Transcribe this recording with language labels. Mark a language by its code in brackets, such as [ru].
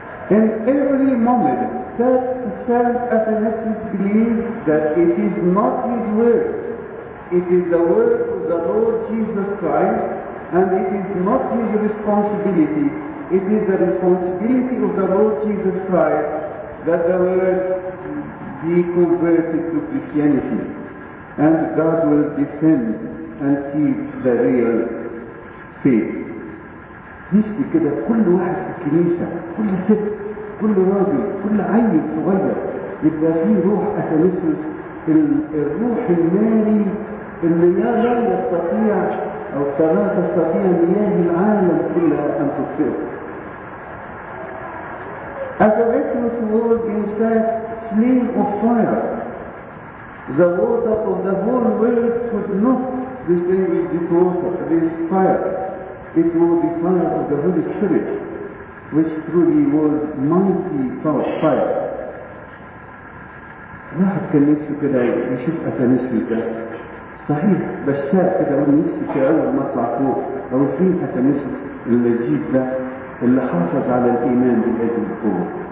[en] In every moment, that self Athanasius believes that it is not his work, it is the work of the Lord Jesus Christ, and it is not his responsibility, it is the responsibility of the Lord Jesus Christ that the world be converted to Christianity, and God will defend and keep the real faith. [ar] نفسي كده كل واحد في الكنيسة، كل ست، كل راجل، كل عيل صغير يبقى فيه روح أثناسيوس، الروح المالي اللي لا يستطيع أو لا تستطيع مياه العالم كلها أن تطفئه. [en] Athanasius was in fact flame of fire. The water of the whole world could not distinguish this water, this fire. It was the fire of the Holy Spirit, which truly was mighty fire. [ar] واحد كان نفسه كده يشوف أثناسيوس ده، صحيح بشتاق كده أقول نفسي في أول ما أطلع فوق أو فين أثناسيوس اللذيذ ده اللي حافظ على الإيمان بهذه القوة.